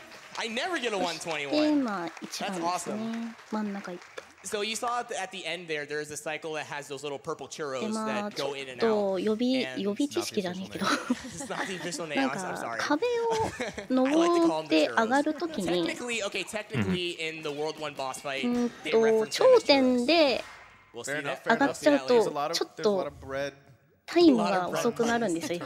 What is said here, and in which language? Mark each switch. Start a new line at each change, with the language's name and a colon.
Japanese: で、まあ一番ですね、真ん中行って。
English: So you saw at the end there, there's a cycle that has those little purple churros that go in and out.
Japanese: ちょっと予備知識じゃないけど、なんか壁を登って上がるときに、頂点で上がっちゃうとちょっとタイムが遅くなるんですよ。